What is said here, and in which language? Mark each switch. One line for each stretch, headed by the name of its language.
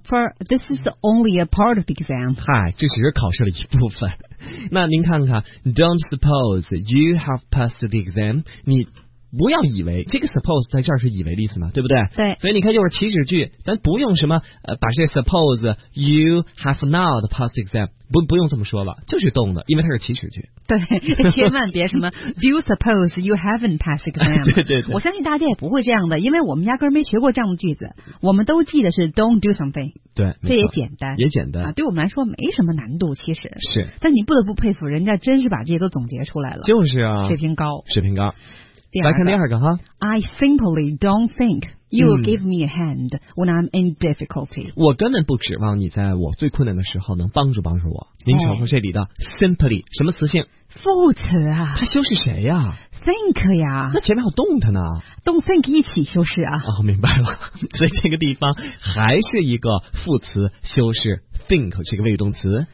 English: For this is only a part of the exam。
Chinese: 嗨，这只是考试的一部分。那您看看
English: Don't suppose you have passed the exam，
Chinese: 你不要以为，这个 suppose 在这儿是以为的意思嘛，对不对？对，所以你看就是祈使句，咱不用什么把这
English: suppose you have not passed exam，
Chinese: 不用这么说了，就是动的，因为它是祈使句。对，千万别什么
English: do you suppose you haven't passed exam。
Chinese: 对对对，我相信大家也不会这样的，因为我们压根没学过这样的句子，我们都记得是
English: don't do something。
Chinese: 对，这也简单，也简单啊，对我们来说没什么难度，其实是。但你不得不佩服人家，真是把这些都总结出来了，就是啊，水平高，水平高。来看第二个哈。
English: I simply don't think you will give me a hand when I'm in difficulty。
Chinese: 我根本不指望你在我最困难的时候能帮助帮助我。您瞧瞧这里的 simply 什么词性？副词啊。它修饰谁呀？
English: Think 呀。
Chinese: 那前面还有动它呢。
English: Don't think
Chinese: 一起修饰啊。哦，明白了。所以这个地方还是一个副词修饰 think 这个谓语动词。